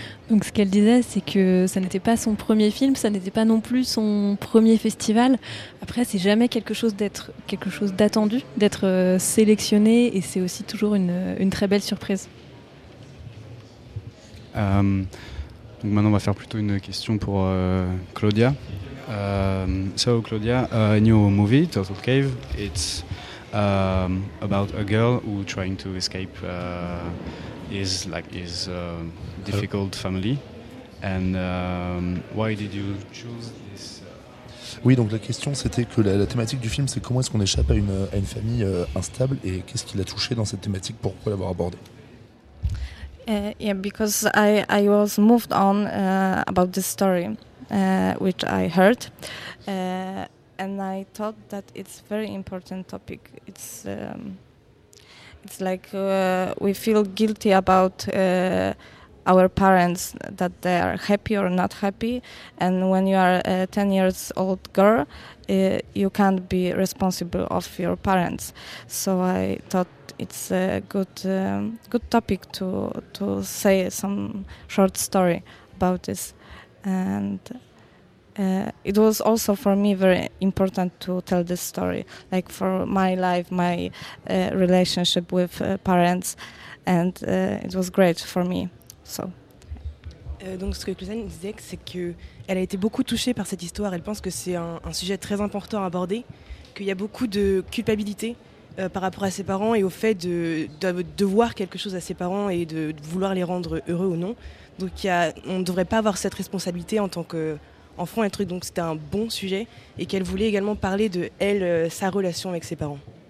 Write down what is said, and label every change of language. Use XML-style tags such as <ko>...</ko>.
<fr>Donc ce qu'elle disait, c'est que ça n'était pas son premier film, ça n'était pas non plus son premier festival. Après, c'est jamais quelque chose d'attendu, d'être sélectionné, et c'est aussi toujours une très belle surprise. Donc maintenant, on va faire plutôt une question pour Claudia.</fr> <en>So Claudia, in your movie Turtle Cave, it's about a girl who trying to escape his difficult family. And why did you choose this?</en> <fr>Oui, donc la question c'était que la thématique du film c'est comment est-ce qu'on échappe à une famille instable, et qu'est-ce qui l'a touché dans cette thématique, pourquoi l'avoir abordée?</fr> <en>Because I was moved on about this story. Which I heard, and I thought that it's very important topic. It's like we feel guilty about our parents that they are happy or not happy. And when you are a 10 years old girl, you can't be responsible of your parents. So I thought it's a good topic to say some short story about this. And it was also for me very important to tell this story, like for my life, my relationship with parents, and it was great for me. So.</en> <fr>Donc ce que Cluzane disait, c'est qu'elle a été beaucoup touchée par cette histoire. Elle pense que c'est un sujet très important à aborder, qu'il y a beaucoup de culpabilité par rapport à ses parents et au fait de devoir quelque chose à ses parents et de vouloir les rendre heureux ou non. Donc on ne devrait pas avoir cette responsabilité en tant qu'enfant, un truc. Donc c'était un bon sujet et qu'elle voulait également parler de elle, sa relation avec ses parents.</fr>